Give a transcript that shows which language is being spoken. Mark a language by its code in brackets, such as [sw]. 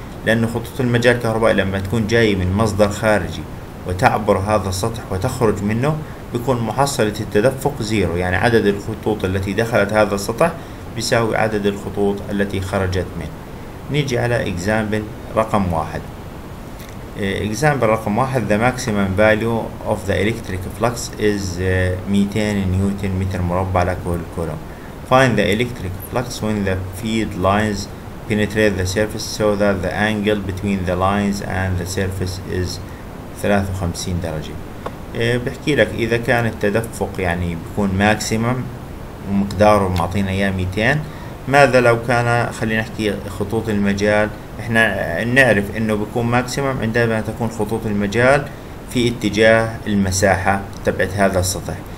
[ar] لأن خطوط المجال الكهربائي لما تكون جاي من مصدر خارجي وتعبر هذا السطح وتخرج منه، بيكون محصلة التدفق زيرو، يعني عدد الخطوط التي دخلت هذا السطح بيساوي عدد الخطوط التي خرجت منه. نيجي على example رقم واحد. [en] Example [ar] رقم واحد: [en] the maximum value of the electric flux is 200 [ar] نيوتن متر مربع لكل كولوم. [en] Find the electric flux when the feed lines penetrate the surface so that the angle between the lines and the surface is 53 درجة. [ar] بحكي لك إذا كان التدفق يعني بيكون ماكسيمم ومقداره معطينا إياه 200، ماذا لو كان خلينا نحكي خطوط المجال؟ إحنا نعرف إنه بيكون ماكسيمم عندما تكون خطوط المجال في اتجاه المساحة تبعت هذا السطح.